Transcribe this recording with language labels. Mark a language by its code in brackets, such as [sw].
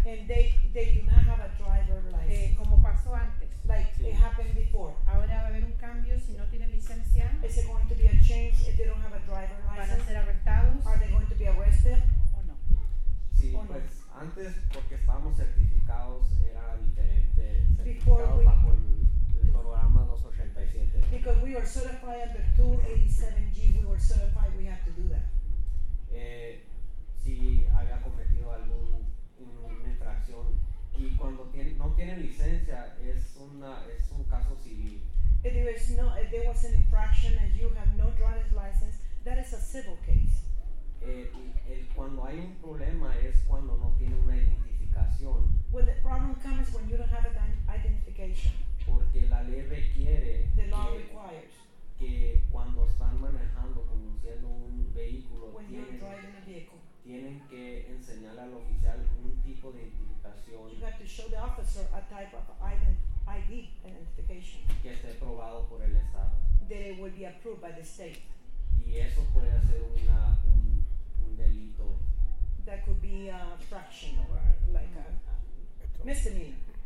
[en] And they do not have a driver license. [es] Como pasó antes. [en] Like it happened before. [es] Ahora va a haber un cambio si no tienen licencia. [en] Is it going to be a change if they don't have a driver license? [es] Van a ser arrestados. [en] Are they going to be arrested? [es] O no. Sí, o pues no. Antes porque estábamos certificados era diferente. Certificados bajo el programa 287. [en] Because we are certified under 287G, we were certified, we have to do that. [es] Si había cometido alguna infracción y cuando no tienen licencia es un caso civil. [en] If there is no, if there was an infraction and you have no driver's license, that is a civil case. [es] Cuando hay un problema es cuando no tiene una identificación. [en] When the problem comes when you don't have an identification. [es] Porque la ley requiere [en] the law requires [es] que cuando están manejando, conduciendo un vehículo, tienen que enseñarle al oficial un tipo de identificación. [en] You have to show the officer a type of ID identification. [es] Que esté probado por el estado. [en] That it will be approved by the state. [es] Y eso puede ser un delito. [en] That could be a fraction, like a misdemeanor.